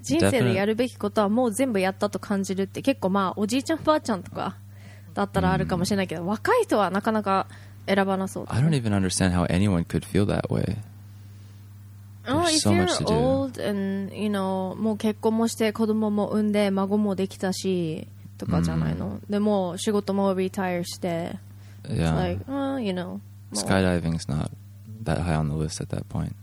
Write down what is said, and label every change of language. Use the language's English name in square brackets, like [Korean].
[Japanese] 人生でやるべきことはもう全部やったと感じるって、結構まあおじいちゃんばあちゃんとか。だったらあるかもしれないけど、若い人はなかなか選ばなそう。 [English] I don't even understand how anyone could feel that way. There's so much to do. If you're old and you know, [Japanese] もう結婚もして子供も産んで孫もできたしとかじゃないの。でも仕事もリタイアして、 [English] yeah. It's like, well, you know, skydiving is not that high on the list at that point.